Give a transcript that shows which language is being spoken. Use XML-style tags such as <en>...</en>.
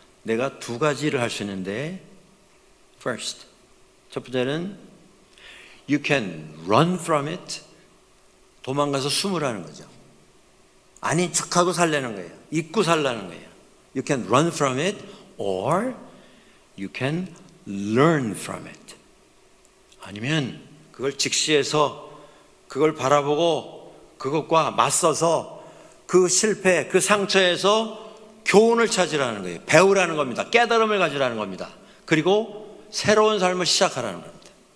<ko>내가 두 가지를 할 수 있는데,</ko> <en>first,</en> <ko>첫 번째는</ko> <en>you can run from it,</en> <ko>도망가서 숨으라는 거죠. 아닌 척하고 살라는 거예요. 잊고 살라는 거예요.</ko> <en>You can run from it, or you can learn from it.</en> <ko>아니면 그걸 직시해서 그걸 바라보고 그것과 맞서서 그 실패, 그 상처에서 교훈을 찾으라는 거예요. 배우라는 겁니다. 깨달음을 가지라는 겁니다. 그리고 새로운 삶을 시작하라는 겁니다.</ko>